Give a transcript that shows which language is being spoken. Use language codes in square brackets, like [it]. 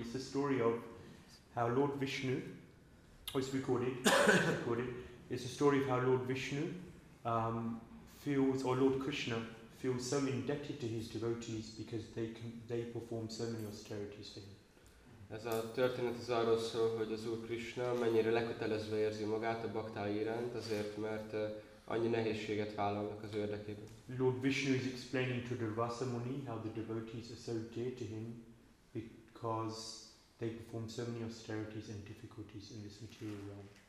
[en] It's the story of how Lord Vishnu, oh, it's recorded, it's the story of how Lord Vishnu feels, or Lord Krishna feels so indebted to his devotees because they perform so many austerities for him. [hu] Ez a történet az arról szól, hogy az Úr Krishna mennyire lekötelezve érzi magát a baktái iránt, azért mert annyi nehézséget vállalnak az érdekében. [en] Lord Vishnu is explaining to Durvasa Muni how the devotees are so dear to him because they perform so many austerities and difficulties in this material realm.